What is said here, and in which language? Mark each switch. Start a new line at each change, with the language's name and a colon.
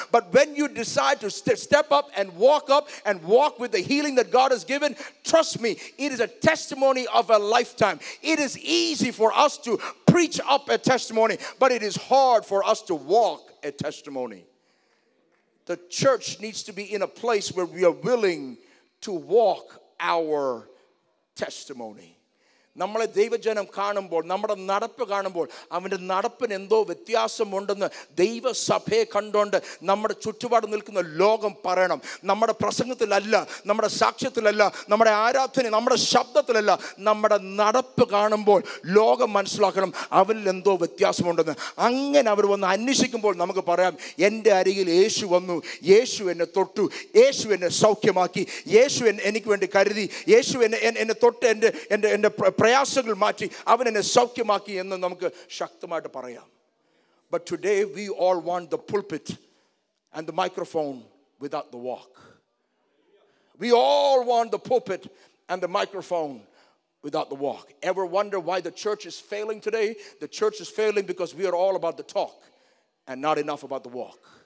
English: But when you decide to step up and walk up and walk with the healing that God has given, trust me, it is a testimony of a lifetime. It is easy for us to preach up a testimony, but it is hard for us to walk a testimony. The church needs to be in a place where we are willing to walk our testimony.
Malayalam: നമ്മളെ ദൈവജനം കാണുമ്പോൾ, നമ്മുടെ നടപ്പ് കാണുമ്പോൾ, അവൻ്റെ നടപ്പിന് എന്തോ വ്യത്യാസമുണ്ടെന്ന് ദൈവസഭയെ കണ്ടുകൊണ്ട് നമ്മുടെ ചുറ്റുപാട് നിൽക്കുന്ന ലോകം പറയണം. നമ്മുടെ പ്രസംഗത്തിലല്ല, നമ്മുടെ സാക്ഷ്യത്തിലല്ല, നമ്മുടെ ആരാധന, നമ്മുടെ ശബ്ദത്തിലല്ല, നമ്മുടെ നടപ്പ് കാണുമ്പോൾ ലോകം മനസ്സിലാക്കണം അവനിൽ എന്തോ വ്യത്യാസമുണ്ടെന്ന്. അങ്ങനെ അവർ വന്ന് അന്വേഷിക്കുമ്പോൾ നമുക്ക് പറയാം, എൻ്റെ അരികിൽ യേശു വന്നു, യേശു എന്നെ തൊട്ടു, യേശു എന്നെ സൗഖ്യമാക്കി, യേശു എനിക്ക് വേണ്ടി കരുതി, യേശു എന്നെ തൊട്ട് എൻ്റെ പ്രയാസങ്ങൾ മാറ്റി, അവൻ എന്നെ സൗഖ്യമാക്കി എന്ന് നമുക്ക് ശക്തമായിട്ട് പറയാം.
English: But today we all want the pulpit and the microphone without the walk. We all want the pulpit and the microphone without the walk. Ever wonder why the church is failing today? The church is failing because we are all about the talk and not enough about the walk.